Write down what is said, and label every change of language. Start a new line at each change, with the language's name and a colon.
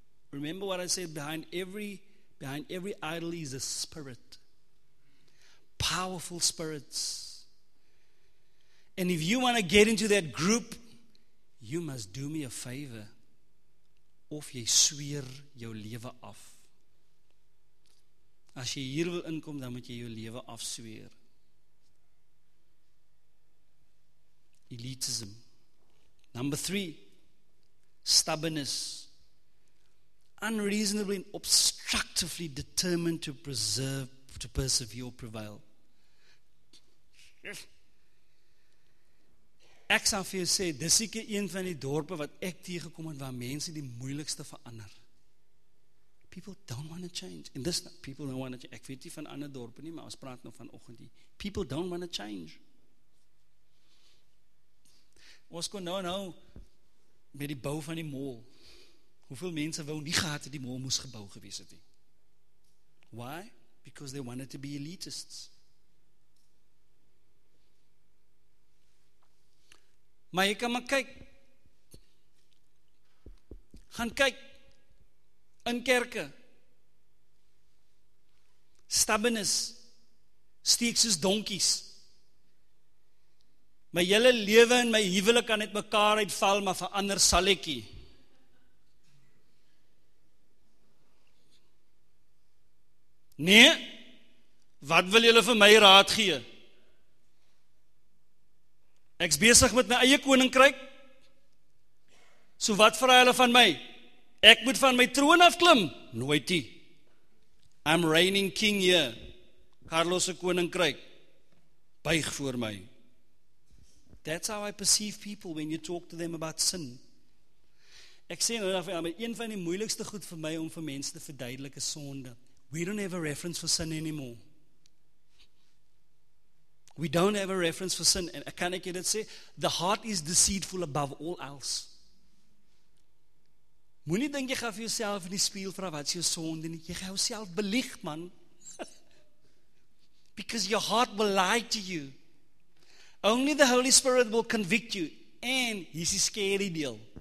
English: Remember what I said, behind every idol is a spirit. Powerful spirits. And if you want to get into that group, you must do me a favor.
Afrikaans: Of jy sweer jou lewe af. As jy hier wil inkom, dan moet jy jou lewe afsweer.
English: Elitism. Number 3. Stubbornness. Unreasonably and obstructively determined to preserve, to persevere or prevail.
Afrikaans: Ek sal vir jou sê, dis seker een van die dorpe wat ek tegekom het waar mense die moeilikste verander.
English: People don't want to change.
Afrikaans: And this, people don't want to change. Ek weet nie van ander dorpe nie, maar ons praat nou vanoggend hier.
English: People don't want to change.
Afrikaans: Ons kon nou met die bou van die mall. Hoeveel mense wou nie gehad het die mall moes gebou gewees het nie?
English: Why? Because they wanted to be elitists.
Afrikaans: Maar jy kan maar kyk. Gaan kyk in kerke. Stubbornness steek soos donkies. My hele lewe en my huwelik kan net mekaar uitval, maar verander sal ek nie. Nee, wat wil julle vir my raad gee? Ek's besig met my eie koninkryk. So wat vra hulle van my? Ek moet van my troon afklim. Nooitie.
English: I'm reigning king here.
Afrikaans: Carlos se koninkryk. Buig voor my.
English: That's how I perceive people when you talk to them about sin.
Afrikaans: Ek sê nou dat een van die moeilikste goed vir my om vir mense te verduidelik is sonde.
English: We don't have a reference for sin anymore. We don't have a reference for sin. And can I get it say? The heart is deceitful above all else.
Afrikaans: Moe nie denk jy gaan vir jouself in die spieel vra wat is jou sonde nie. Jy gaan jouself belieg, man.
English: Because your heart will lie to you. Only the Holy Spirit will convict you. And here's the scary deal.